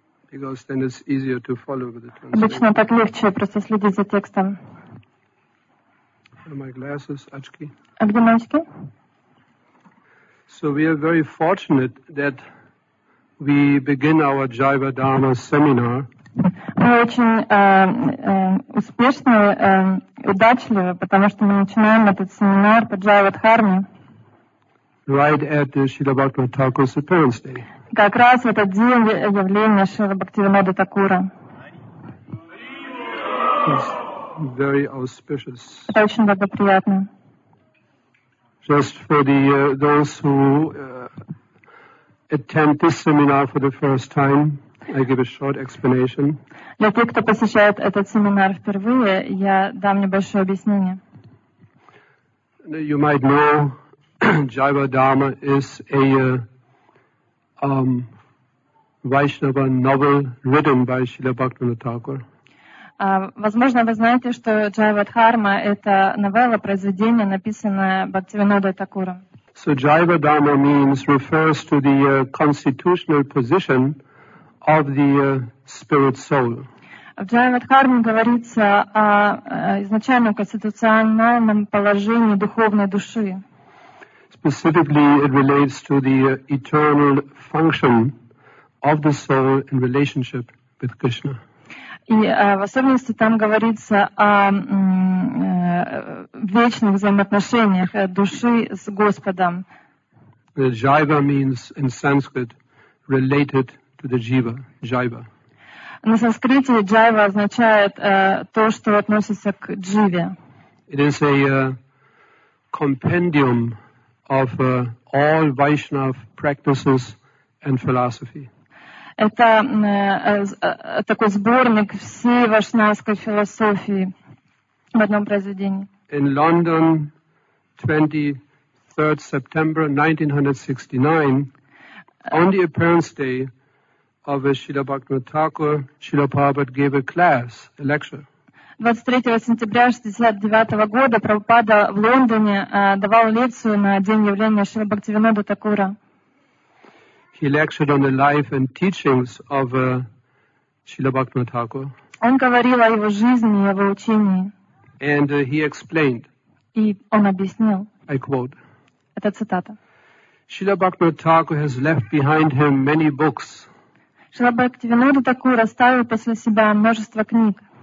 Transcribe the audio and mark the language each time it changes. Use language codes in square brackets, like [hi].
[en] Because then it's easier to follow with the translation. [ru] Обычно так легче просто следить за текстом. [en] Are my glasses, очки? [ru] А где мои очки? [en] So we are very fortunate that we begin our Jiva Dharma seminar. [ru] Мы очень успешны, удачливы, потому что мы начинаем этот семинар по Jiva Dharma. [en] Right at the Srila Bhakti Thakur's appearance day. [ru] Как раз в этот день явления Шрилы Бхактивинода Такура. [en] Very auspicious. [ru] Это очень благоприятно. [en] Just for the those who attend this seminar for the first time, I give a short explanation. [ru] Для тех, кто посещает этот семинар впервые, я дам небольшое объяснение. [en] You might know Jiva Dharma is a Vaishnava novel written by Srila Bhaktivinoda Thakur. [ru] Возможно, вы знаете, что Jiva Dharma — это новелла, произведение, написанное Бхактивинодой Такуром. [en] So Jiva Dharma means refers to the constitutional position of the spirit soul. [ru] В Jiva Dharma говорится о изначальном конституциональном положении духовной души. [en] Specifically, it relates to the eternal function of the soul in relationship with Krishna. [ru] И в особенности там говорится о вечных взаимоотношениях души с Господом. [en] Jiva means in Sanskrit related to the jiva, jiva. [ru] На санскрите jiva означает то, что относится к jive. [en] It is a compendium of all Vaishnava practices and philosophy. [ru] Это такой сборник всей вайшнавской философии в одном произведении. [en] In London, 23rd September 1969, on the appearance day of Srila Bhaktivinoda Thakur, Srila Prabhupada gave a class, a lecture. [ru] 23 сентября 1969 года Прабхупада в Лондоне давал лекцию на день явления Шрилы Бхактивинода Такура. [en] He lectured on the life and teachings of Srila Bhaktivinoda Thakur. [ru] Он говорил о его жизни и его учении. [en] And he explained. [ru] И он объяснил. [en] I quote. [ru] Это цитата. [en] Srila Bhaktivinoda Thakur has left behind him many books. [ru] Шрила Бхактивинода Такур оставил после себя множество книг.